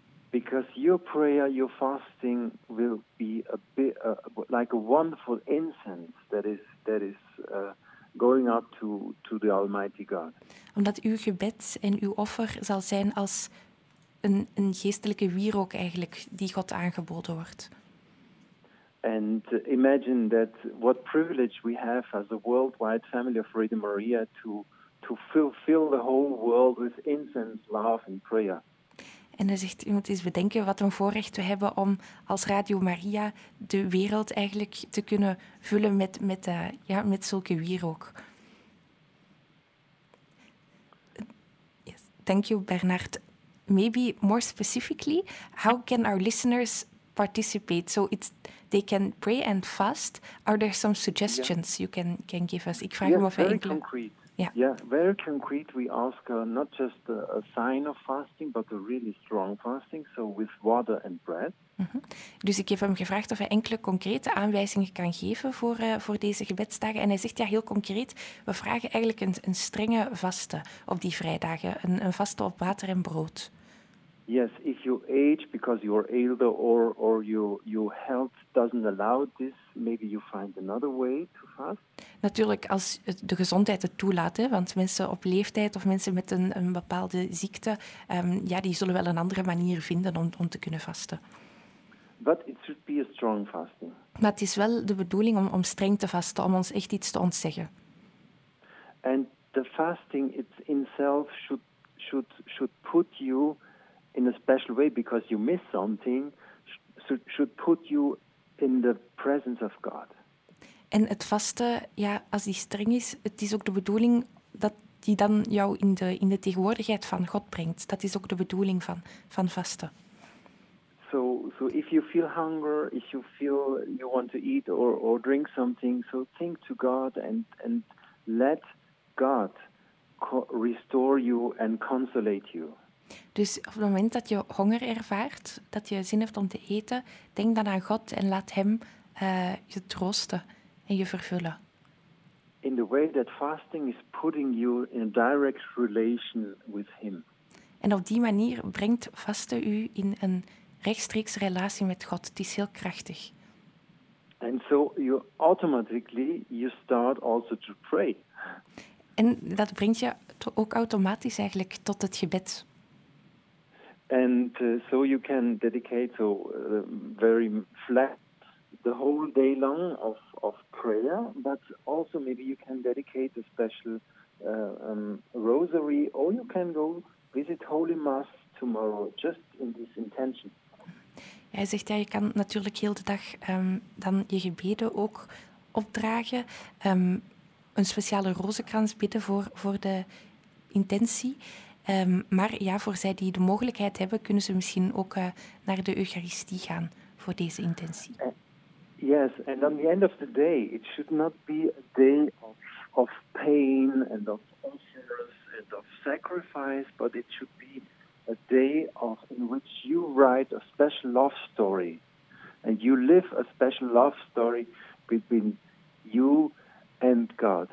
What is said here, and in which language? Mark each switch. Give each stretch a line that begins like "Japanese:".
English: Because your prayer, your fasting will be a bit like a wonderful incense that is going up to the Almighty God.
Dutch: Omdat uw gebed en uw offer zal zijn als een geestelijke wierook eigenlijk die God aangeboden wordt.
English: And imagine that what privilege we have as a worldwide family of Radio Maria to fulfill the whole world with incense, love and prayer.
Dutch: En hij zegt, je moet eens bedenken wat een voorrecht we hebben om als Radio Maria de wereld eigenlijk te kunnen vullen met zulke wierook.
English: Thank you, Bernard. Maybe more specifically, how can our listeners participate? So it's they can pray and fast. Are there some suggestions you can give us?
Dutch: Ik vraag hem of hij enkele.
English: Very concrete. We ask not just a sign of fasting, but a really strong fasting, so with water and bread.
Dutch: Dus ik heb hem gevraagd of hij enkele concrete aanwijzingen kan geven voor deze gebedsdagen. En hij zegt heel concreet, we vragen eigenlijk een strenge vaste op die vrijdagen. Een vaste op water en brood.
English: Yes, if you age because you are older or your health doesn't allow this, maybe you find another way to fast.
Dutch: Natuurlijk, als de gezondheid het toelaat, hè, want mensen op leeftijd of mensen met een bepaalde ziekte, die zullen wel een andere manier vinden om te kunnen vasten.
English: But it should be a strong fasting.
Dutch: Maar het is wel de bedoeling om streng te vasten, om ons echt iets te ontzeggen.
English: And the fasting itself should put you in a special way, because you miss something, should put you in the presence of God.
Dutch: En het vasten, als die streng is, het is ook de bedoeling dat die dan jou in de tegenwoordigheid van God brengt. Dat is ook de bedoeling van vasten.
English: So if you feel hunger, if you feel you want to eat or drink something, so think to God and let God restore you and consolate you.
Dutch: Dus op het moment dat je honger ervaart, dat je zin hebt om te eten, denk dan aan God en laat hem je troosten en je vervullen.
English: In the way that fasting is putting you in a direct relation with him.
Dutch: En op die manier brengt vasten u in een rechtstreeks relatie met God. Het is heel krachtig.
English: And so you automatically you start also to pray.
Dutch: En dat brengt je ook automatisch eigenlijk tot het gebed.
English: And so you can dedicate very flat the whole day long of prayer, but also maybe you can dedicate a special rosary, or you can go visit Holy Mass tomorrow, just in this intention.
Dutch: Hij zegt je kan natuurlijk heel de dag dan je gebeden ook opdragen, een speciale rozenkrans bidden voor de intentie. Maar voor zij die de mogelijkheid hebben, kunnen ze misschien ook naar de Eucharistie gaan voor deze intentie.
English: Yes, and on the end of the day, it should not be a day of pain and of offerings and of sacrifice, but it should be a day in which you write a special love story And you live a special love story between you and God.